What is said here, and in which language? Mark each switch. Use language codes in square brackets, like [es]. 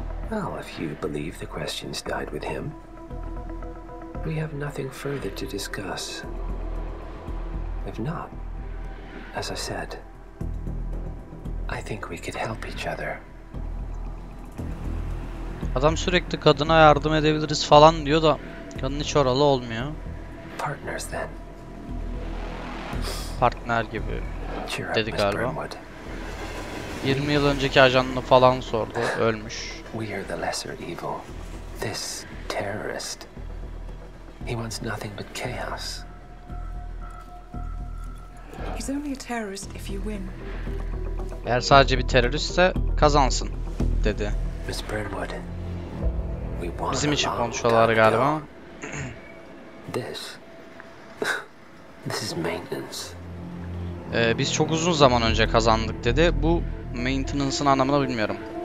[en] Well, if you believe the questions died with him, we have nothing further to discuss. If not, as I said, I think we could help each other. [tr] Adam sürekli kadına yardım edebiliriz falan diyor da kadın hiç oralı olmuyor. [en] Partners then. [tr] Partner gibi dedi galiba. 20 yıl önceki ajanını falan sordu, ölmüş. [en] We are the lesser evil. This terrorist. He wants nothing but chaos. He's only a terrorist if you win. [tr] Eğer sadece bir teröristse kazansın dedi. [en] Miss Burnwood. We want [tr] bizim için konuşuyorlar galiba. [en] This. This is maintenance. [tr] Biz çok uzun zaman önce kazandık dedi. Bu maintenance'ın anlamını bilmiyorum.